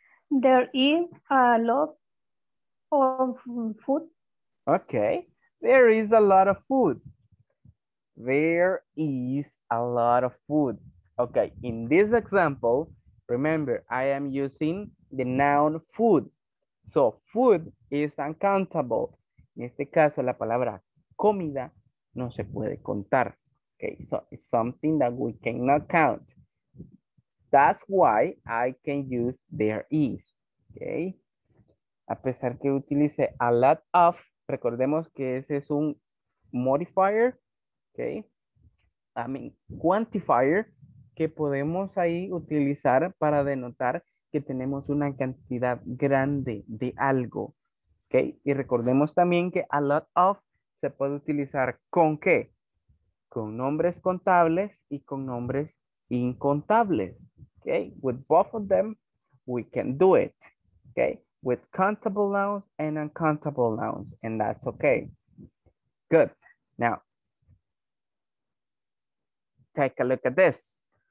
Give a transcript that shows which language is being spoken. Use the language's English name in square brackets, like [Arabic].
[English] There is a lot of food. Okay. There is a lot of food. There is a lot of food. Okay. In this example, remember, I am using the noun food. So food is uncountable. [Spanish] In este caso, la palabra comida no se puede contar. [English] Okay. So it's something that we cannot count. That's why I can use there is. Okay. [Spanish] A pesar que utilice [English] a lot of, [Spanish] recordemos que ese es un modifier, okay. [English] I mean, quantifier, [Spanish] que podemos ahí utilizar para denotar que tenemos una cantidad grande de algo. Okay. Y recordemos también que [English] a lot of [Spanish] se puede utilizar con qué? Con nombres contables y con nombres incontables. [English] Okay, with both of them, we can do it. Okay, with countable nouns and uncountable nouns, and that's okay. Good. Now, take a look at this.